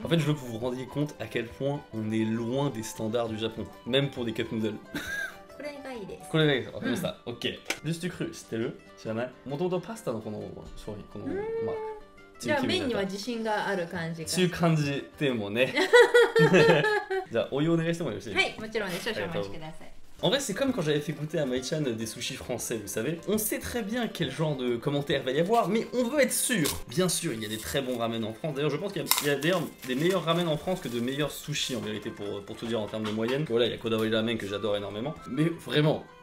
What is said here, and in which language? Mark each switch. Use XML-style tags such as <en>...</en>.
<fr>en fait je veux que vous vous rendiez compte à quel point on est loin des standards du Japon, même pour des cup noodles.</fr> <ja>これがいいです。これがいいです。わかりました。OK. ルースティクルーズ知ってる?知らない?元々パスタのこの、まあ、じゃあ麺には自信がある感じ。という感じでもね。じゃあお湯お願いしてもよろしいですか?はい、もちろんです。少々お待ちください。</ja> <fr>En vrai, c'est comme quand j'avais fait goûter à Mai-chan des sushis français, vous savez. On sait très bien quel genre de commentaires va y avoir, mais on veut être sûr. Bien sûr, il y a des très bons ramen en France. D'ailleurs, je pense qu'il y a d'ailleurs des meilleurs ramen en France que de meilleurs sushis, en vérité, pour tout dire en termes de moyenne. Voilà, il y a Kodawari Ramen que j'adore énormément. Mais vraiment,</fr>